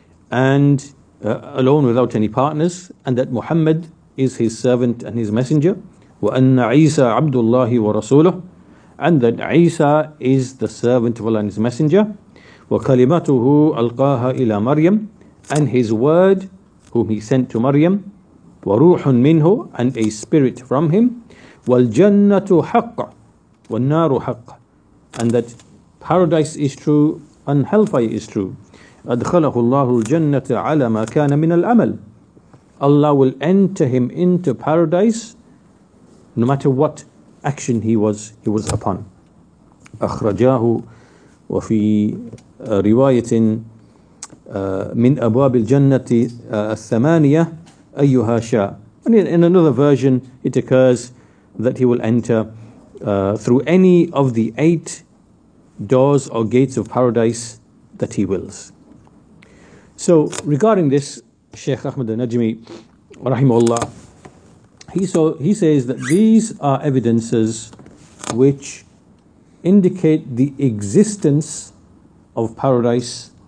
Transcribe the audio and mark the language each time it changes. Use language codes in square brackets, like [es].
[en] and alone without any partners and that Muhammad is his servant and his messenger [ar] وأن عيسى عبد الله ورسوله [en] and that عيسى is the servant of Allah and his messenger [ar] وكلمته ألقاها إلى مريم [en] and his word whom he sent to Maryam, [ar] وَرُوحٌ مِّنْهُ [en] and a spirit from him, [ar] وَالْجَنَّةُ حَقَّ وَالنَّارُ حَقَّ [en] and that paradise is true and hellfire is true. [ar] أَدْخَلَهُ اللَّهُ الْجَنَّةَ عَلَى مَا كَانَ مِنَ الْأَمَلِ [en] Allah will enter him into paradise no matter what action he was upon. [ar] أَخْرَجَاهُ وَفِي رِوَايَةٍ من أبواب الجنة الثمانية أيها شاء. [en] And in another version, it occurs that he will enter through any of the eight doors or gates of paradise that he wills. So, regarding this, Shaykh Ahmad al-Najmi, rahimahullah, he says that these are evidences which indicate the existence of paradise.